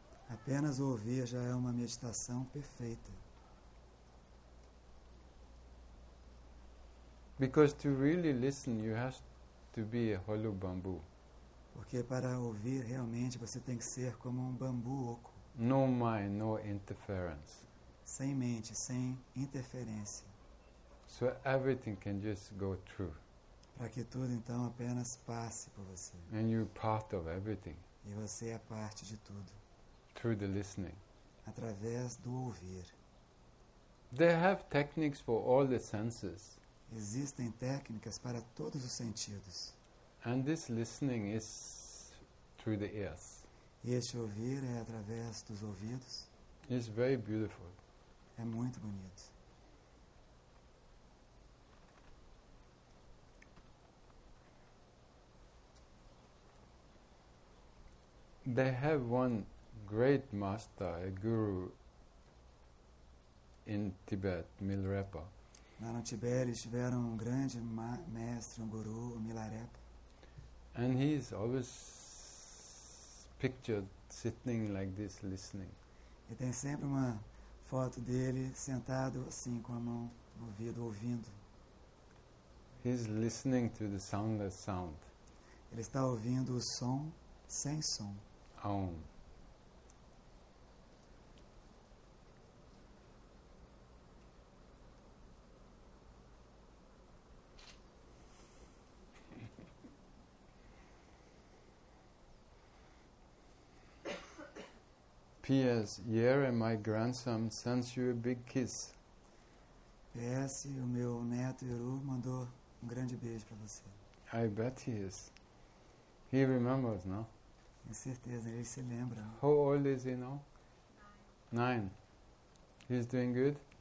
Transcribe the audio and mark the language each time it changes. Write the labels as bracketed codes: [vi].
[pt] Apenas ouvir já é uma meditação perfeita. [en] Because to really listen, you have to be a hollow bamboo. [pt] Porque para ouvir realmente você tem que ser como bambu oco. [en] No mind, no interference. [pt] Sem mente, sem interferência. [en] So everything can just go through. [pt] Para que tudo então apenas passe por você. [en] And you're part of everything. [pt] E você é parte de tudo. [en] Through the listening. [pt] Através do ouvir. [en] They have techniques for all the senses. [pt] Existem técnicas para todos os sentidos. [en] And this listening is through the ears. [pt] Este ouvir é através dos ouvidos. [en] It's very beautiful. [pt] É muito bonito. [en] They have one great master, a guru in Tibet, Milarepa. [pt] Lá no Tibete eles tiveram um grande mestre, um guru, Milarepa. [en] And he is always pictured sitting like this, listening. [pt] E tem sempre uma foto dele sentado assim com a mão no ouvido, ouvindo. [en] He's listening to the soundless sound. [pt] Ele está ouvindo o som sem som. Aum. [en] P.S. Yere, my grandson, sends you a big kiss. P.S. [pt] O meu neto Yeru mandou um grande beijo para você. [en] I bet he is. He remembers, no? [pt] Com certeza, ele se lembra. [en] How old is he now? Nine. He's doing good?